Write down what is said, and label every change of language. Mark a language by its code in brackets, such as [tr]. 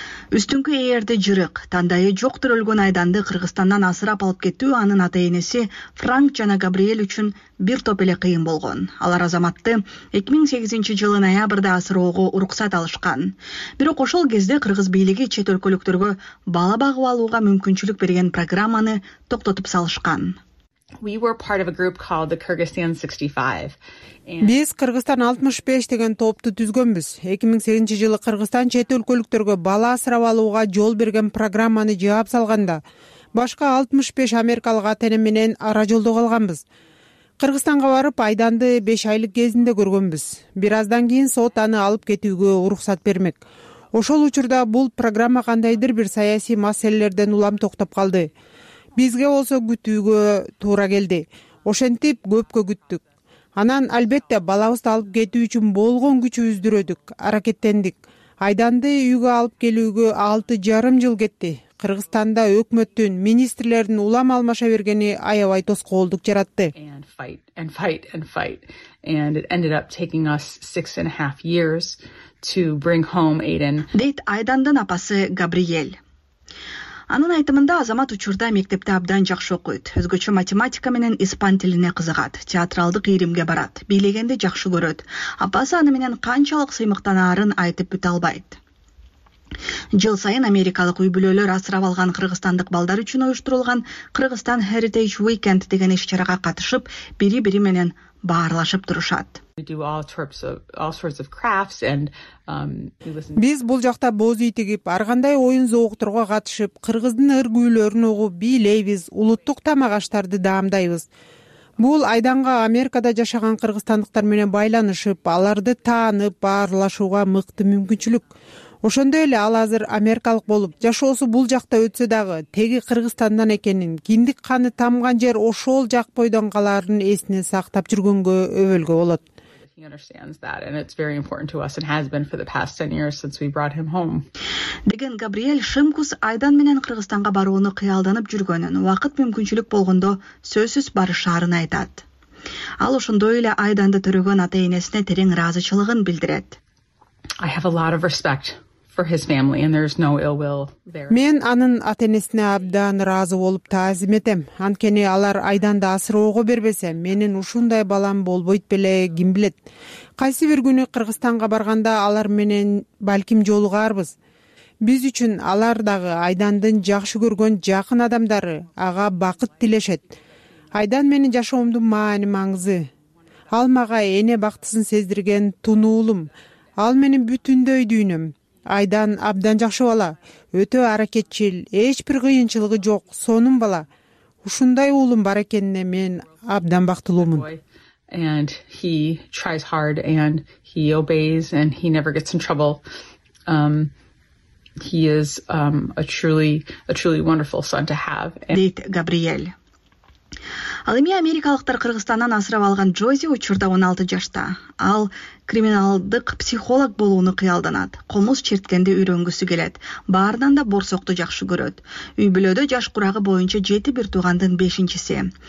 [ky] Үстүңкү ээрди жырык, тандайы жок төрөлгөн Айданды Кыргызстандан асырап алып кетүү анын ата-энеси Франк жана Габриэль үчүн бир топ эле кыйын болгон. Алар Азаматты 2008 жылы ноябрда асыроого уруксат алышкан. Бирок ошол кезде кыргыз бийлиги чет өлкөлүктөргө бала багып алууга мүмкүнчүлүк берген программаны токтотуп салышкан. [en] We were part of a group called the Kyrgyzstan 65. [ky] Биз Кыргызстан 65 деген топту түзгөнбүз. 2008 жылы Кыргызстан чет өлкөлүктөргө бала асырап алууга жол берген программаны жаап салганда, башка 65 америкалык атене менен ара жолдо калганбыз. Кыргызстанга барып Айданды 5 айлык кезинде көргөнбүз. Бир аздан кийин сот аны алып кетүүгө уруксат бермек. Ошол учурда бул программа кандайдыр бир саясий маселелерден улам токтоп калды. Бизге болсо күтүүгө туура келди. Ошентип көпкө күттүк. Анан албетте балабызды алып кетүү үчүн болгон күчүбүздү үйрөдүк, аракеттендик. Айданды үйгө алып келүүгө 6.5 жыл кетти. Кыргызстанда өкмөттүн, министрлердин улам алмаша бергени аябай тоскоолдук жаратты. [en] And it ended up taking us 6.5 years to bring home Aiden. [ky] Дейт Айдандын апасы Габриэль. Анын айтымында Азамат учурда мектепте абдан жакшы окуйт. Өзгөчө математика менен испан тилине кызыгат, театралдык ийримге барат, бийлегенди жакшы көрөт. Апасы аны менен канчалык сыймыктанаарын айтып бүтө албайт. Жыл сайын америкалык үй бүлөлөр асырап алган кыргызстандык балдар үчүн уюштурулган Кыргызстан Heritage Weekend деген иш чарага катышып, бири-бири менен баарлашып турушат. Биз бул жакта боз үй тигип, ар кандай оюн зоокторго катышып, кыргыздын ыргүүлөрүн угуп бийлейбиз, улуттук тамак аштарды даамдайбыз. Бул Айданга Америкада жашаган кыргызстандыктар менен байланышып, аларды таанып, баарлашууга мыкты мүмкүнчүлүк. Ошондой эле ал азыр америкалык болуп, жашоосу бул жакта өтсө дагы, теги Кыргызстандан экенин, киндик каны тамган жер ошол жак бойдон каларын эсине сактап жүргөнгө өбөлгө болот. [en] He understands that and it's very important to us and has been for the past 10 years since we brought him home. [ky] Деген Габриэл Шымкус Айдан менен Кыргызстанга барууну кыялданып жүргөнүн, вакыт мүмкүнчүлүк болгондо сөзсүз барышаарын айтат. Ал ошондой эле Айданды төрөгөн ата-энесине терең ыраазычылыгын билдирет. [en] I have a lot of respect for his family and there's no ill will there. [ky] Мен анын ата-энесине абдан ыраазы болуп таазим этем. Анткени алар Айданды асыроого бербесе, менин ушундай балам болбойт беле, ким билет. Кайсы бир күнү Кыргызстанга барганда алар менен балким жолугарбыз. Биз үчүн алар дагы Айдандын жакшы көргөн жакын адамдары, ага бакыт тилешет. Айдан менин жашоомдун маани маңызы. Ал мага эне бактысын сездирген тунуулум. Ал менин бүтүндөй дүйнөм. Айдан абдан жакшы бала, өтө аракетчил, эч бир кыйынчылыгы жок, сонун бала. Ушундай уулум бар экенине мен абдан бактылуумун. [en] And he tries hard and he obeys and he never gets in trouble. He is a truly wonderful son to have. [ky] Дейт Габриэл. Ал эми америкалыктар Кыргызстандан асырап алган Джози учурда 16 жашта. Ал криминалдык психолог болууну кыялданат. Комуз черткенде үйрөнгүсү келет. Баардан да борсокту жакшы көрөт. Үй бүлөдө жаш курагы боюнча 7 бир туугандын 5-чиси.